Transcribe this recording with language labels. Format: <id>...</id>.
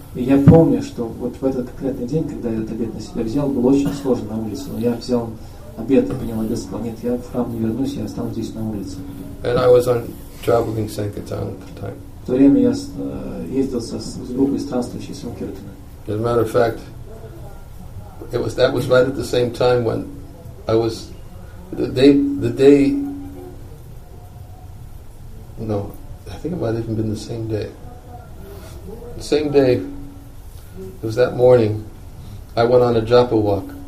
<ru>И я помню, что вот в этот конкретный день, когда я этот обет на себя взял, было очень сложно на улице, но я взял обет и понял, обет сказал, нет, я в храм не вернусь, я останусь здесь на улице.</ru> <en>And I was on traveling Sankirtan at the time.</en> <ru>В то время я ездил с группой странствующей Санкиртана.</ru> <en>As a matter of fact, that was right at the same time when I was I think it might have even been the same day. The same day, it was that morning, I went on a japa walk.</en>